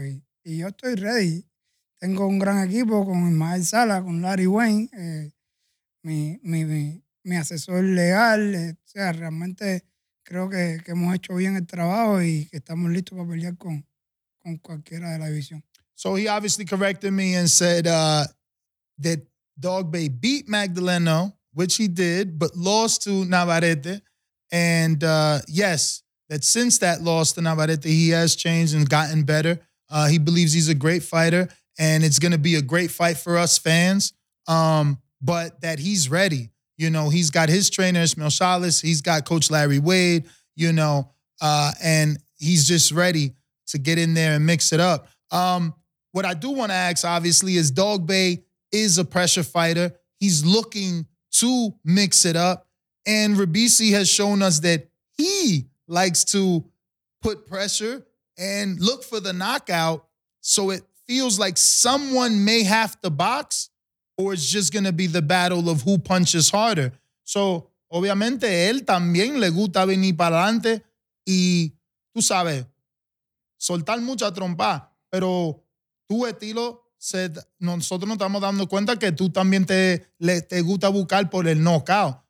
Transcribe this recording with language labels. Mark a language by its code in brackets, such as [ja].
[es] Y yo estoy ready. Tengo un gran equipo con Ismael Sala, con Larry Wayne. mi asesor legal. O sea, realmente creo que hemos hecho bien el trabajo y que estamos listos para pelear con cualquiera de la división. [en] So he obviously corrected me and said that Dog Bay beat Magdaleno, which he did, but lost to Navarrete. And yes, that since that loss to Navarrete, he has changed and gotten better. He believes he's a great fighter, and it's going to be a great fight for us fans, but that he's ready. You know, he's got his trainer, Ismael Salas. He's got Coach Larry Wade, you know, and he's just ready to get in there and mix it up. What I do want to ask, obviously, is Dog Bay is a pressure fighter. He's looking to mix it up. And Ribisi has shown us that he likes to put pressure and look for the knockout. So it feels like someone may have to box, or it's just going to be the battle of who punches harder. [es] So, obviamente, él también le gusta venir para adelante y, tú sabes, soltar mucha trompa. Pero tu estilo, nosotros nos estamos dando cuenta que tú también te gusta buscar por el knockout.